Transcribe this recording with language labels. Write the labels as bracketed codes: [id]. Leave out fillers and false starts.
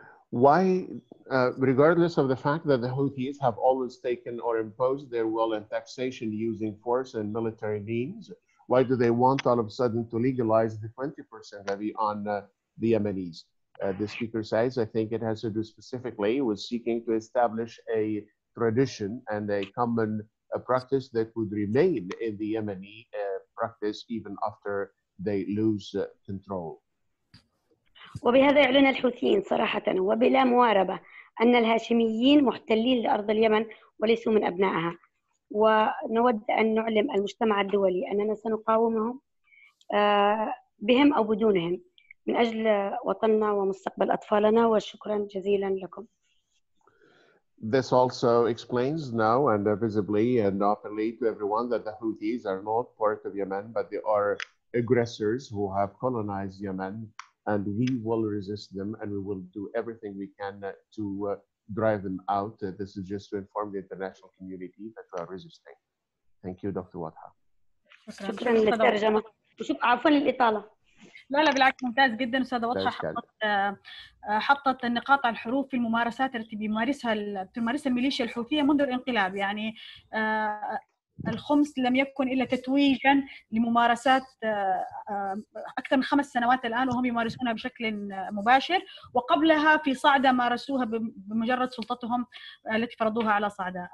[en] Why, regardless of the fact that the Houthis have always taken or imposed their will and taxation using force and military means, why do they want all of a sudden to legalize the 20% levy on the Yemenis? The speaker says, I think it has to do specifically with seeking to establish a tradition and a common practice that would remain in the Yemeni practice even after they lose control. [ar] وبهذا يعلن الحوثيين صراحة وبلا مواربة أن الهاشميين محتلين لأرض اليمن وليسوا من أبنائها. ونود أن نعلم المجتمع الدولي أننا سنقاومهم بهم أو بدونهم من أجل وطننا ومستقبل أطفالنا. وشكرا جزيلا لكم. [en] This also explains now and visibly and openly to everyone that the Houthis are not part of Yemen, but they are aggressors who have colonized Yemen. And we will resist them, and we will do everything we can to drive them out. This is just to inform the international community that we are resisting. Thank you, Dr. Wadha. [ar] شكرا للترجمة وشكرا عفوا للإطالة. لا لا بالعكس ممتاز جدا استاذه وضحى حطت النقاط على الحروف في الممارسات التي بتمارسها الميليشيا الحوثيه منذ الانقلاب. يعني الخمس لم يكن الا تتويجا لممارسات اكثر من 5 سنوات الان وهم يمارسونها بشكل مباشر، وقبلها في صعده مارسوها بمجرد سلطتهم التي فرضوها على صعده.